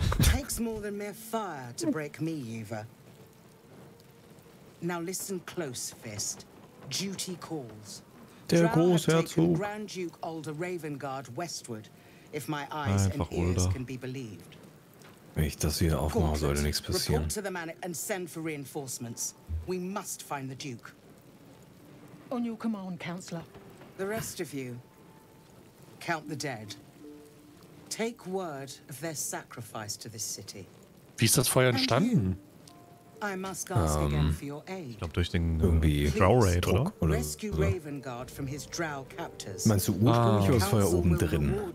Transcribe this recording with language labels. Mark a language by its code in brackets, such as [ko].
[en] Takes more than mere fire to break me, Eva. Now listen close, Fist. Duty calls. [de] Der Großherzog. [en] Grand Duke Alder Ravengard westward, if my eyes and ears can be believed. [de] Wenn ich das hier aufmache, sollte nichts passieren. [en] Report to the man and send for reinforcements. We must find the Duke. On your command, Counselor. The rest of you, count the dead. Take word of their sacrifice to this city. [de] Wie ist das Feuer entstanden? [en] I must ask again for your aid. [de] Ich glaube durch den irgendwie Drow Raid, oder? [en] Rescue Ravengard from his Drow captors. [de] Meinst du ursprünglich oder das Feuer oben drin?